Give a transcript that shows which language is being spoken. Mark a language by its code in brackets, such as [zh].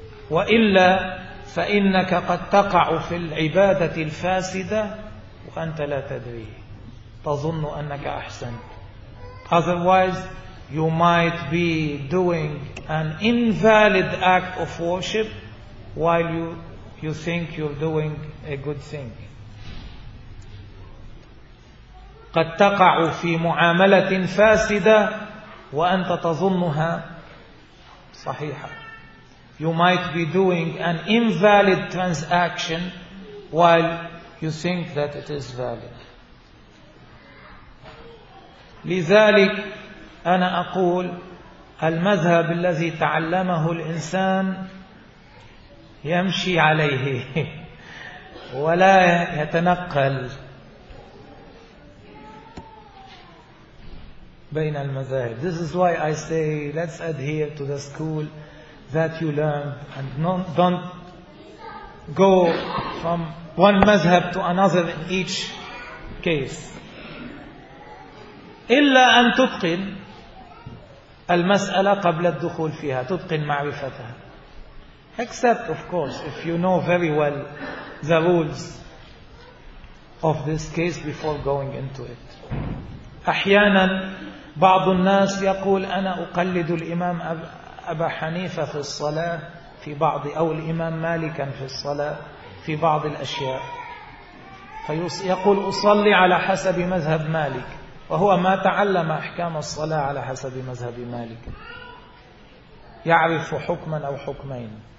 [ar] وإلا فإنك قد تقع في العبادة الفاسدة وأنت لا تدري تظن أنك أحسنت. [en] Otherwise, you might be doing an invalid act of worship while you think you're doing a good thing. [ar] قد تقع في معاملة فاسدة وأنت تظنها صحيحة. [en] You might be doing an invalid transaction while you think that it is valid. [ar] لذلك أنا أقول المذهب الذي تعلمه الإنسان يمشي عليه ولا يتنقل بين المذاهب. [en] This is why I say let's adhere to the school that you learned and don't go from one madhab to another in each case. [ar] إلا أن تتقن المسألة قبل الدخول فيها تتقن معرفتها. [en] Except of course if you know very well the rules of this case before going into it. [ar] أحيانا بعض الناس يقول أنا أقلد الإمام أبا حنيفة في الصلاة في بعض أو الإمام مالكا في الصلاة في بعض الأشياء فيقول أصلي على حسب مذهب مالك وهو ما تعلم أحكام الصلاة على حسب مذهب مالك يعرف حكما أو حكمين